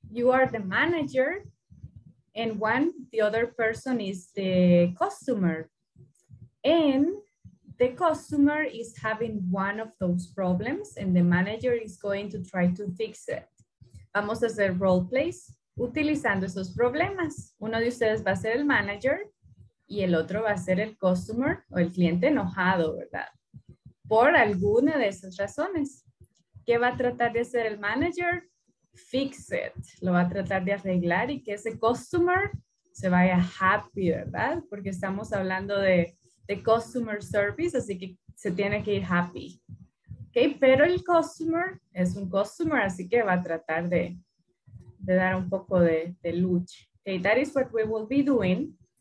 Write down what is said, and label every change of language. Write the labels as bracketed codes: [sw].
[en] You are the manager and the other person is the customer. And the customer is having one of those problems and the manager is going to try to fix it. [es] Vamos a hacer role plays utilizando esos problemas. Uno de ustedes va a ser el manager y el otro va a ser el customer o el cliente enojado, ¿verdad? Por alguna de esas razones. ¿Qué va a tratar de hacer el manager? [en] Fix it. [es] Lo va a tratar de arreglar y que ese customer se vaya happy, ¿verdad? Porque estamos hablando de customer service, así que se tiene que ir happy. Okay, pero el customer es un customer, así que va a tratar de dar un poco de lucha. [en] Okay, that is what we will be doing.